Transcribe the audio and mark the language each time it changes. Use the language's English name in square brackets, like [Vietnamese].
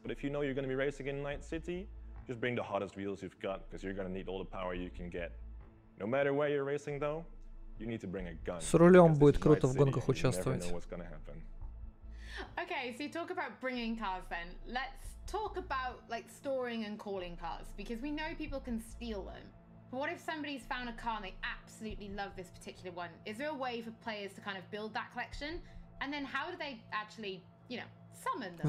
[English] But if you know you're going to be racing in Night City, just bring the hottest wheels you've got, because you're going to need all the power you can get. No matter where you're racing, though, you need to bring a gun. [Russian] С рулем будет круто в гонках участвовать. [English] Okay, so you talk about bringing cars then. Let's talk about like storing and calling cars, because we know people can steal them. But what if somebody's found a car and they absolutely love this particular one? Is there a way for players to kind of build that collection? And then how do they actually, you know, summon them?